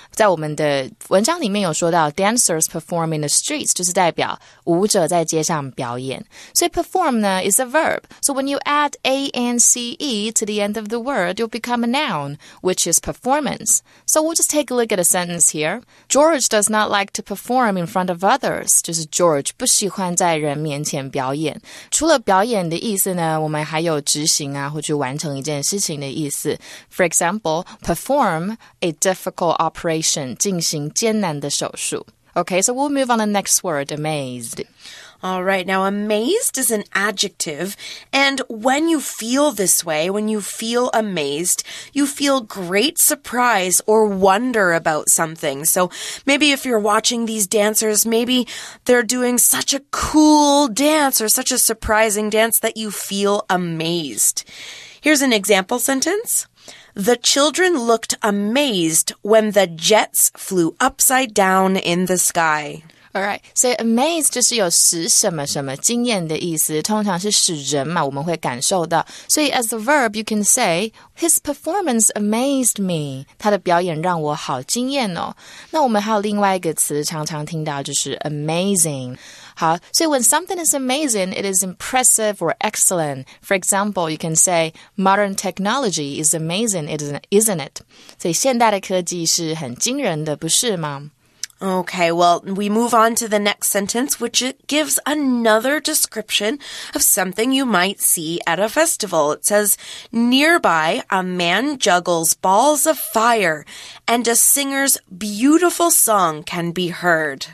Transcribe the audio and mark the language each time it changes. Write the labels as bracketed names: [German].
[Chinese] 在我们的文章里面有说到 [English] dancers perform in the streets, [Chinese] 就是代表舞者在街上表演。 [English] 所以 perform 呢 is a verb. So when you add A-N-C-E to the end of the word, you'll become a noun, which is performance. So we'll just take a look at a sentence here. George does not like to perform in front of others. [Chinese] 就是 George 不喜欢在人面前表演。除了表演的意思呢，我们还有执行啊，或者完成一件事情的意思。 [English] For example, perform a difficult operation, [Chinese] 进行艰难的手术。 [English] Okay, so we'll move on to the next word, amazed. All right, now amazed is an adjective, and when you feel this way, when you feel amazed, you feel great surprise or wonder about something. So maybe if you're watching these dancers, maybe they're doing such a cool dance or such a surprising dance that you feel amazed. Here's an example sentence. The children looked amazed when the jets flew upside down in the sky. All right, so [Chinese] amazed 就是有使什么什么惊艳的意思，通常是使人嘛，我们会感受到。所以 [English] as the verb, you can say, his performance amazed me. [Chinese] 他的表演让我好惊艳哦。那我们还有另外一个词常常听到，就是 amazing. 好，所以 [English] when something is amazing, it is impressive or excellent. For example, you can say, modern technology is amazing, isn't it? [Chinese] 所以现代的科技是很惊人的，不是吗？ [English] Okay, well, we move on to the next sentence, which gives another description of something you might see at a festival. It says, nearby, a man juggles balls of fire, and a singer's beautiful song can be heard.